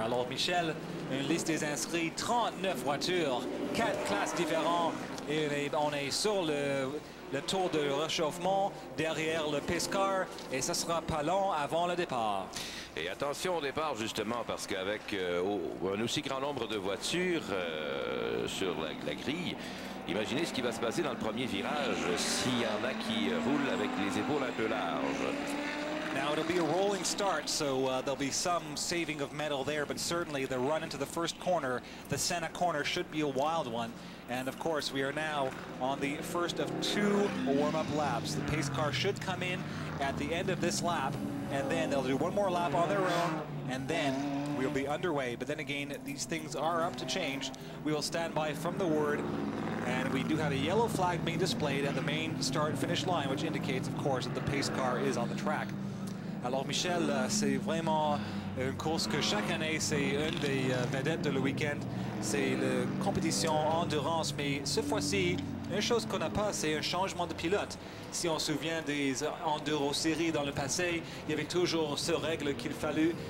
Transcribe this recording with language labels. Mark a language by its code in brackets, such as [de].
[fr] Alors Michel, une liste des inscrits, 39 voitures, 4 classes différentes, et on est sur le tour de réchauffement derrière le pace car, et ça sera pas long avant le départ. Et attention au départ, justement, parce qu'avec un aussi grand nombre de voitures sur la grille, imaginez ce qui va se passer dans le premier virage s'il y en a qui roulent avec les épaules un peu larges. [en] Now, it'll be a rolling start, so there'll be some saving of metal there, but certainly the run into the first corner, the Senna corner, should be a wild one. And, of course, we are now on the first of two warm-up laps. The pace car should come in at the end of this lap, and then they'll do one more lap on their own, and then we'll be underway. But then again, these things are up to change. We will stand by from the word, and we do have a yellow flag being displayed at the main start-finish line, which indicates, of course, that the pace car is on the track. [fr] Alors, Michel, c'est vraiment une course que chaque année, c'est une des vedettes de le week-end. C'est la compétition endurance, mais cette fois-ci, une chose qu'on n'a pas, c'est un changement de pilote. Si on se souvient des enduro-séries dans le passé, il y avait toujours ce règle qu'il fallut.